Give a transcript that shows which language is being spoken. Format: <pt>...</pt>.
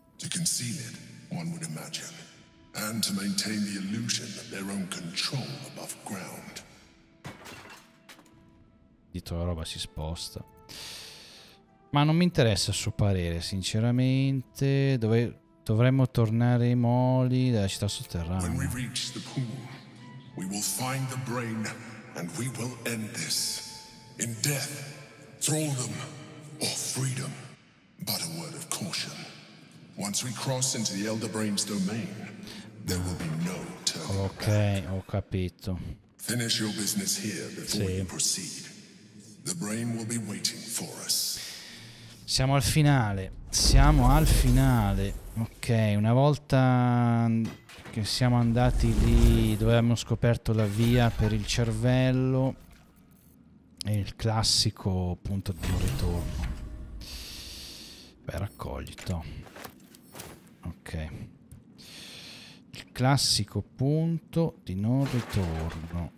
<en>To conceal it, one would imagine, and to maintain the illusion of their own control above ground.</en> <it>Dito la roba si sposta. Ma non mi interessa il suo parere, sinceramente. Dovremmo tornare ai moli della città sotterranea.</it> <en>When we reach the pool, we will find the brain and we will end this. In death, thraldom, or freedom. But a word of caution. Once we cross into the Elder Brain's domain, there will be no turning back.</en> <it>Ok, ho capito.</it> <en>Finish your business here before you proceed. The brain will be waiting for us.</en> <it>Siamo al finale. Siamo al finale. Ok, una volta che siamo andati lì, dove abbiamo scoperto la via per il cervello, è il classico punto di non ritorno. Beh, raccoglito. Ok. Il classico punto di non ritorno.</it>